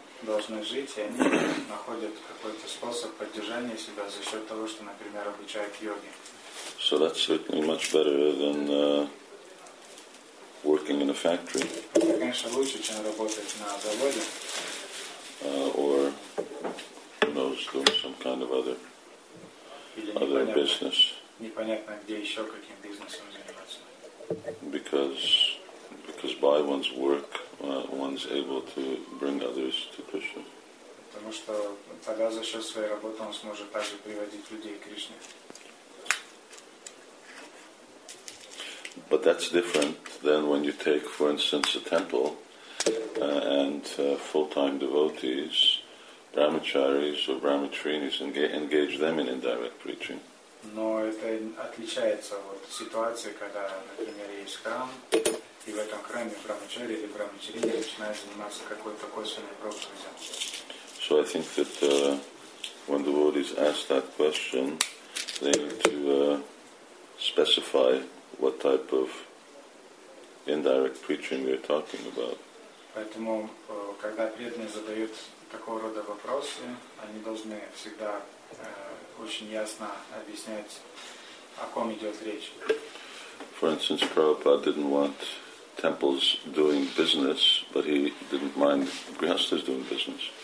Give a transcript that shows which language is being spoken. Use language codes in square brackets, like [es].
[ru] Должны жить, и они находят какой-то способ поддержания себя за счет того, что, например, обучают йоги. [en] So that's certainly much better than working in a factory. [ru] Конечно, лучше, чем работать на заводе. [en] Or who knows, doing some kind of other business. [ru] Непонятно, где еще каким бизнесом заниматься. [en] Because by one's work, one's able to bring others to Krishna. [ru] Потому что тогда за счет своей работы он сможет также приводить людей к Кришне. [en] But that's different than when you take, for instance, a temple and full-time devotees, brahmacharis or brahmacharinis, engage them in indirect preaching. [ru] Но это отличается от ситуации, когда, например, есть храм, и в этом храме брахмачари или брахмачарини начинают заниматься какой-то косвенной проповедью. [en] So I think that when the devotees ask that question, they need to specify what type of indirect preaching they're talking about. [ru] Поэтому, когда преданные задают такого рода вопросы, они должны всегда очень ясно объяснять, о ком идет речь. [en] For instance, Prabhupada didn't want temples doing business, but he didn't mind grihasthas doing business.